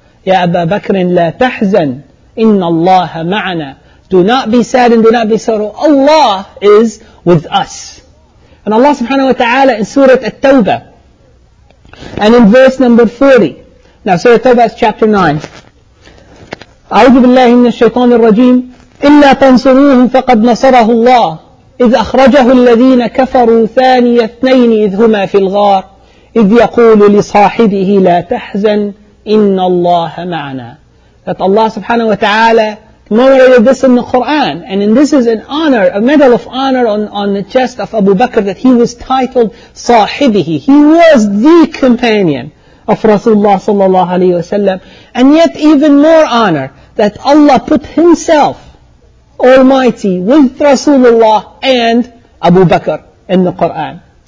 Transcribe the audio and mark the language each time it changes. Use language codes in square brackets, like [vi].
[ar] Ya Aba Bakrin, la tahzan, inna Allaha ma'ana. [en] Do not be sad and do not be sorrow. Allah is with us. And Allah subhanahu wa ta'ala in Surah At-Tawbah, and in verse number 40, now, Surah Tawbah is chapter 9. [ar] أعوذ بالله من الشيطان الرجيم. إلا تنصروه فقد نصره الله إذ أخرجه الذين كفروا ثاني اثنين إذ هما في الغار إذ يقول لصاحبه لا تحزن إن الله معنا. [en] That Allah subhanahu wa ta'ala commemorated this in the Quran. And this is an honor, a medal of honor on the chest of Abu Bakr that he was titled Sahibihi. He was the companion of Rasulullah sallallahu alayhi wa sallam. And yet even more honor that Allah put himself Almighty with Rasulullah and Abu Bakr in the Quran.